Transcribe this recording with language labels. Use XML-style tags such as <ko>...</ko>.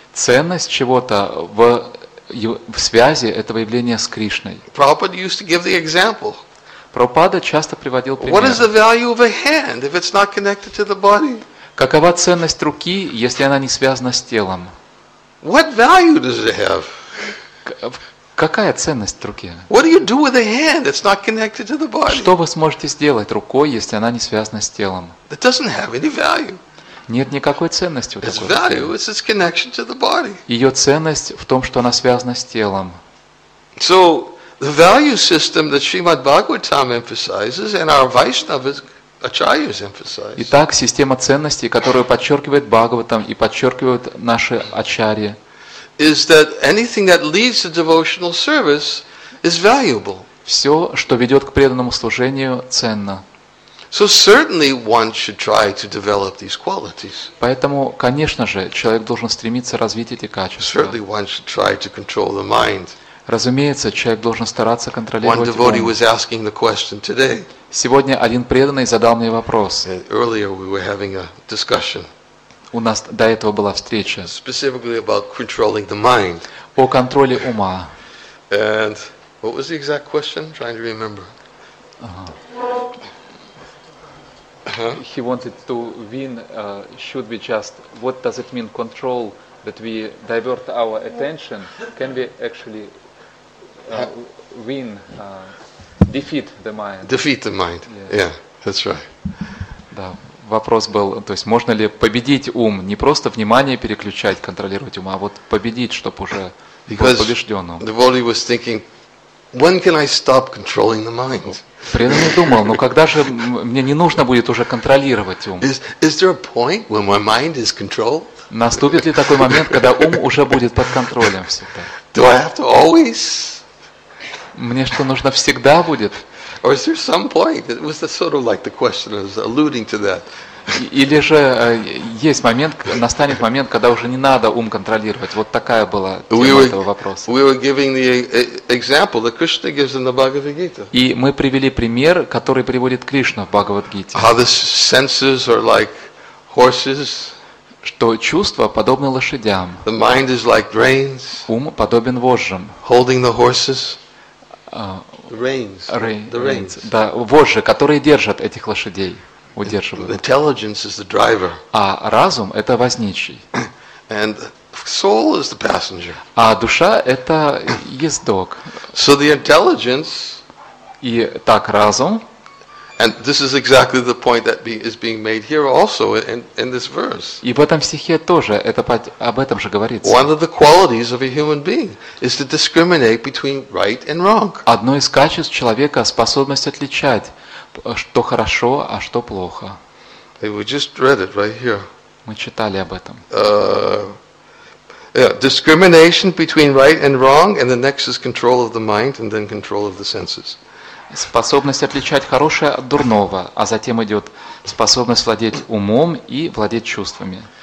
<ru>Ценность чего-то в связи этого явления с Кришной.</ru> <en>Prabhupada used to give the example.</en> <ru>Прабхупада часто приводил пример.</ru> <en>What is the value of a hand if it's not connected to the body?</en> <ru>Какова ценность руки, если она не связана с телом?</ru> <en>What value does it have?</en> <ru>Какая ценность руки?</ru> <en>What do you do with a hand that's not connected to the body?</en> <ru>Что вы сможете сделать рукой, если она не связана с телом?</ru> <en>It doesn't have any value.</en> <ru>Нет никакой ценности у такой руки.</ru> <en>Its value is its connection to the body.</en> <ru>Ее ценность в том, что она связана с телом.</ru> <en>So the value system that Srimad Bhagavatam emphasizes and our Vaishnavas Acharyas emphasize.</en> <ru>Итак, система ценностей, которую подчеркивает Бхагаватам и подчеркивают наши ачарьи.</ru> <en>Is that anything that leads to devotional service is valuable.</en> <ru>Все, что ведет к преданному служению, ценно.</ru> <en>So certainly one should try to develop these qualities.</en> <ru>Поэтому, конечно же, человек должен стремиться развить эти качества.</ru> <en>Certainly one should try to control the mind.</en> <ru>Разумеется, человек должен стараться контролировать</ru> <en>ум. One devotee was asking the question today.</en> <ru>Сегодня один преданный задал мне вопрос.</ru> <en>Earlier we were having a discussion.</en> <ru>У нас до этого была встреча.</ru> <en>Specifically about controlling the mind.</en> <ru>О контроле ума.</ru> <en>And what was the exact question? Trying to remember. He wanted to win. Should we just? What does it mean control? That we divert our attention? Can we actually win? Defeat the mind. Defeat the mind. Yeah, that's right.</en> <ru>Да, вопрос был, то есть можно ли победить ум, не просто внимание переключать, контролировать ум, а вот победить, чтобы уже был побежден ум.</ru> <en>The devotee was thinking, when can I stop controlling the mind?</en> <ru>Преданный думал, ну когда же мне не нужно будет уже контролировать ум?</ru> <en>Is there a point when my mind is controlled?</en> <ru>Наступит ли такой момент, когда ум уже будет под контролем всегда?</ru> <en>Do I have to always?</en> <ru>Мне что нужно всегда будет?</ru> <en>Or is there some point? It was the sort of like the question is alluding to that.</en> <ru>Или же есть момент, настанет момент, когда уже не надо ум контролировать. Вот такая была тема этого вопроса.</ru> <en>We were giving the example that Krishna gives in the Bhagavad-gita.</en> <ru>И мы привели пример, который приводит Кришна в Бхагавад-гите.</ru> <en>How the senses are like horses.</en> <ru>Что чувства подобны лошадям.</ru> <en>The mind is like reins.</en> <ru>Ум подобен вожжам.</ru> <en>Holding the horses. The reins.</en> <ru>Да, вожжи, которые держат этих лошадей, удерживают.</ru> <en>The intelligence is the driver.</en> <ru>А разум – это возничий.</ru> <en>And soul is the passenger.</en> <ru>А душа – это ездок.</ru> <en>So the intelligence.</en> <ru>И так разум.</ru> <en>And this is exactly the point that is being made here also in this verse.</en> <ru>И в этом стихе тоже это об этом же говорится.</ru> <en>One of the qualities of a human being is to discriminate between right and wrong.</en> <ru>Одно из качеств человека – способность отличать, что хорошо, а что плохо.</ru> <en>And we just read it right here.</en> <ru>Мы читали об этом.</ru> <en>Discrimination between right and wrong, and the next is control of the mind, and then control of the senses.</en> <ru>Способность отличать хорошее от дурного, а затем идет способность владеть умом и владеть чувствами.</ru>